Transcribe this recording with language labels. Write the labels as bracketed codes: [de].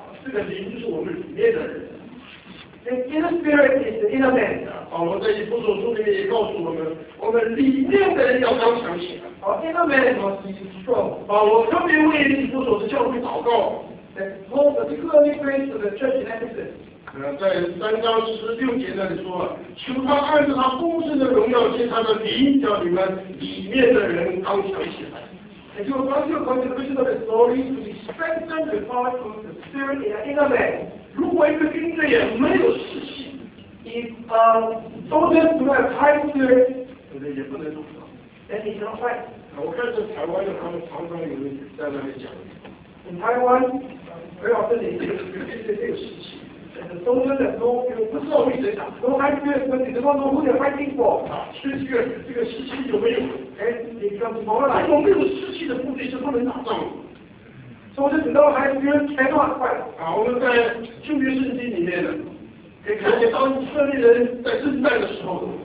[zh] 这个灵就是我们里面的人。 [en] The inner spirit is the inner man. [zh] 保罗在以弗所书里面也告诉我们，我们里面的人要刚强起来。 [en] Our inner man must be strong. [zh] 保罗特别为以弗所的教会祷告。 [en] That Paul particularly prays for the church in Ephesus. [zh] 在三章十六节那里说，求他按照他丰盛的荣耀，借他的灵，叫你们里面的人刚强起来。 [en] And you will grant your contribution of the glory to be strengthened with power from the Spirit in your inner man. [zh] 如果一个军队也没有士气 [en] ，if soldiers do not have high spirit， [zh] 可能也不能做到。 [en] Then he cannot fight. [zh] 我看这台湾的他们常常有人在那里讲。 [en] In Taiwan, very often they do not have high spirit. The soldiers that know, you know, [zh] 不知道为谁打 [en] ，no high spirit, but they do not know who they're fighting for. [zh] 啊，所以这个士气有没有 [en] ？And it becomes morale. [zh] 如果没有士气的部队是不能打仗的。 [en] Soldiers that know high spirit cannot fight. [zh] 啊，我们在旧约圣经里面呢，可以看见当以色列人在征战的时候